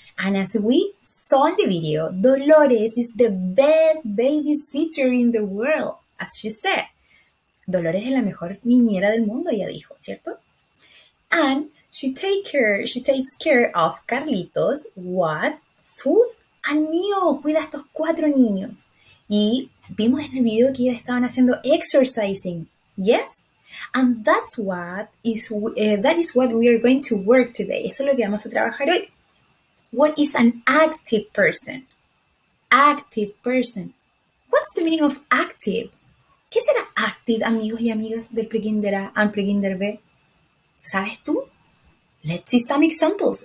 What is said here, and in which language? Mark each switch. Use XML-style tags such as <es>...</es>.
<en>And as we saw in the video, Dolores is the best babysitter in the world, as she said.</en> <es>Dolores es la mejor niñera del mundo, ella dijo, ¿cierto?</es> <en>And she takes care of Carlitos, Watt, Fuzz, and Neo.</en> <es>Cuida a estos cuatro niños. Y vimos en el video que ellos estaban haciendo exercising.</es> <en>Yes? And that is what we are going to work today.</en> <es>Eso es lo que vamos a trabajar hoy.</es> <en>What is an active person? Active person. What's the meaning of active?</en> <es>¿Qué será active, amigos y amigas de Prekinder A and Prekinder B? ¿Sabes tú?</es> <en>Let's see some examples.</en>